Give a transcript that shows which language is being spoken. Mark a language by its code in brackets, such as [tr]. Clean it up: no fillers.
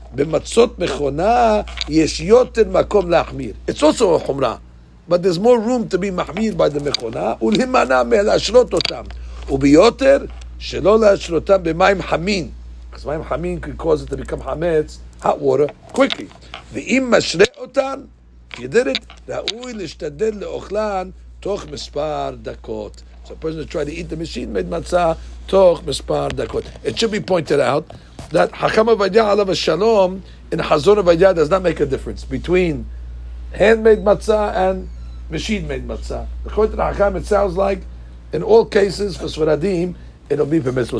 [he] במצות מכונה יש יותר מקום להחמיר. [en] It's also a חומרה, but there's more room to be מחמיר by the מכונה, [he] ולמנע מלהשרות אותם. וביותר, שלא להשרותם במים חמין. [en] Because מים חמין can cause it to become חמץ, hot water, quickly. [he] ואם משרה אותם, ידרת, ראוי להשתדל לאוכלן תוך מספר דקות. [en] So a person who tried to eat the machine made matzah [he] תוך מספר דקות. [en] It should be pointed out that Hakam Avadya Alav Shalom in Hazor Avadya does not make a difference between handmade matzah and machine made matzah. According to the Hakam, it sounds like in all cases for Sfaradim, it'll be permissible.